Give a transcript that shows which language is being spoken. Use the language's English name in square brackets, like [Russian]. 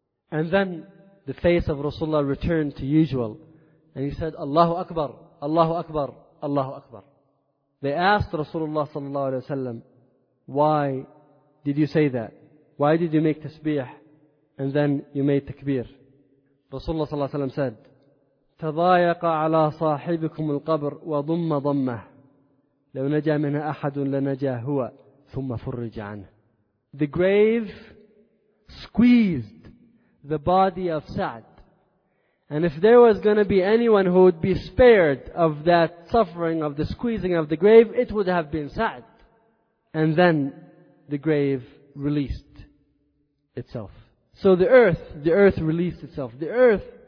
[English] And then the face of Rasulullah returned to usual. And he said, Allahu Akbar, Allahu Akbar, Allahu Akbar. They asked Rasulullah sallallahu alayhi wa sallam, why did you say that? Why did you make tasbih and then you made takbir? Rasulullah sallallahu alayhi wa sallam said, [Arabic] تَضَايَقَ عَلَىٰ صَاحِبِكُمُ الْقَبْرِ وَضُمَّ ضَمَّهِ لَوْ نَجَى مِنَا أَحَدٌ لَنَجَى هُوَ ثُمَّ فُرِّجَ عَنْهِ. [English] The grave squeezed the body of Sa'd. And if there was going to be anyone who would be spared of that suffering, of the squeezing of the grave, it would have been Sa'd. And then the grave released itself. So the earth released itself. The earth